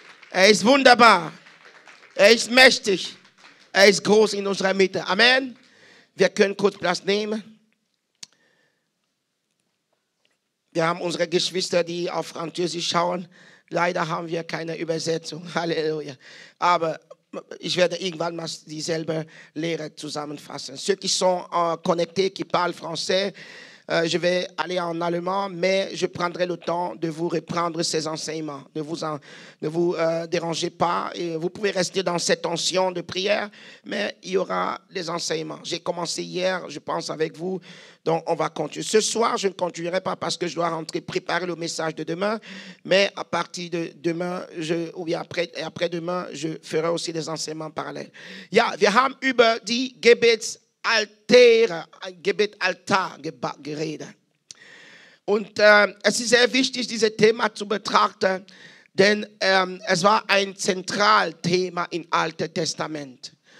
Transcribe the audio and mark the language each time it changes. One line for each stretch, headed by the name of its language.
German: Er ist wunderbar. Er ist mächtig. Er ist groß in unserer Mitte. Amen. Wir können kurz Platz nehmen. Wir haben unsere Geschwister, die auf Französisch schauen. Leider haben wir keine Übersetzung. Halleluja. Aber ich werde irgendwann mal dieselbe Lehre zusammenfassen.
French: Ceux qui sont connectés, qui parlent français, je vais aller en allemand, mais je prendrai le temps de vous reprendre ces enseignements. Ne vous dérangez pas. Et vous pouvez rester dans cette tension de prière, mais il y aura les enseignements. J'ai commencé hier, je pense, avec vous. Donc, on va continuer. Ce soir, je ne continuerai pas parce que je dois rentrer préparer le message de demain. Mais à partir de demain, après demain, je ferai aussi des enseignements parallèles.
German: Ja, wir haben über die Gebets Alter, Gebet Altar geredet. Und es ist sehr wichtig, dieses Thema zu betrachten, denn es war ein Zentralthema im Alten Testament.